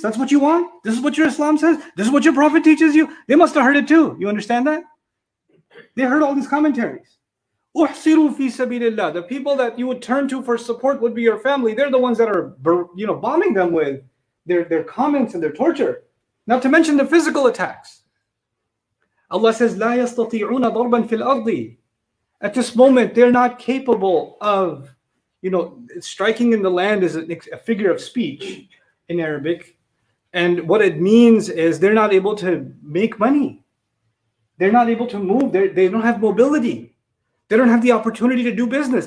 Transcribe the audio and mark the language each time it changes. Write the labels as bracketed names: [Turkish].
[English] That's what you want? This is what your Islam says? This is what your Prophet teaches you? They must have heard it too. You understand that? They heard all these commentaries. [Arabic] Uhsiru fi sabilillah. [English] The people that you would turn to for support would be your family. They're the ones that are, you know, bombing them with their comments and their torture. Not to mention the physical attacks. Allah says, [Arabic] لا يستطيعون ضربا في الأرض. [English] At this moment, they're not capable of, you know, striking in the land is a figure of speech in Arabic. And what it means is they're not able to make money. They're not able to move. They don't have mobility. They don't have the opportunity to do business.